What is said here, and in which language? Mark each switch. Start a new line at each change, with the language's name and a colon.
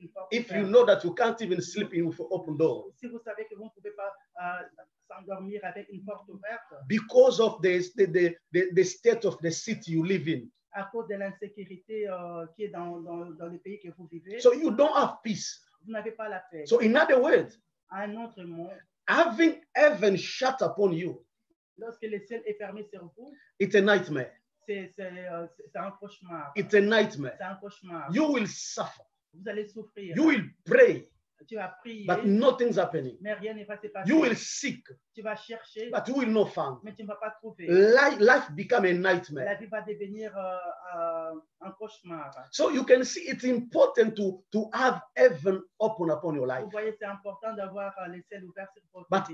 English: If you know that you can't even sleep in with an open door,
French: si vous savez que vous ne pouvez pas s'endormir avec une porte ouverte,
English: because of the state of the city you live in,
French: à cause de l'insécurité qui est dans les pays que vous vivez,
English: so you don't have peace.
French: Vous n'avez pas la paix.
English: So in other words,
French: un autre mot,
English: having heaven shut upon you,
French: lorsque le ciel est fermé sur vous,
English: it's a nightmare.
French: C'est un cauchemar.
English: It's a nightmare.
French: C'est un cauchemar.
English: You will suffer.
French: Vous allez souffrir.
English: You will pray.
French: Tu vas prier.
English: But nothing's happening.
French: Mais rien n'est passé.
English: You will seek.
French: Tu vas chercher.
English: But you will not find.
French: Mais tu ne vas pas trouver.
English: Life become a nightmare.
French: La vie va devenir un cauchemar.
English: So you can see it's important to have heaven open upon your life.
French: Vous voyez, c'est important d'avoir le ciel ouvert sur votre vie.